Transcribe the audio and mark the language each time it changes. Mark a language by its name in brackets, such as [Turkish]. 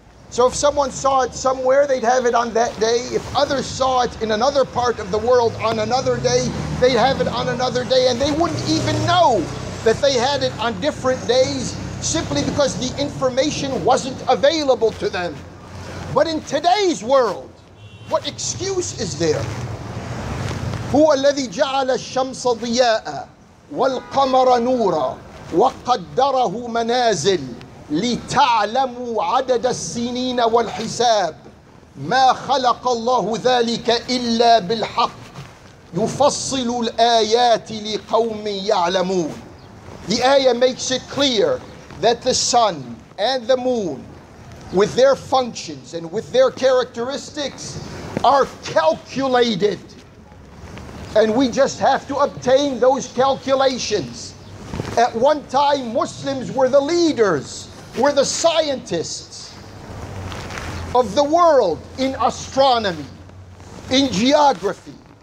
[English] So if someone saw it somewhere, they'd have it on that day. If others saw it in another part of the world on another day, they'd have it on another day, and they wouldn't even know that they had it on different days simply because the information wasn't available to them. But in today's world, what excuse is there? [Arabic] هو الذي جعل الشمس ضياء والقمر نورا وقدره منازل لتعلموا عدد السنين والحساب ما خلق الله ذلك إلا بالحق يفصل الآيات لقوم يعلمون. [English] The ayah makes it clear that the sun and the moon, with their functions and with their characteristics, are calculated. And we just have to obtain those calculations. At one time, Muslims were the leaders, were the scientists of the world in astronomy, in geography.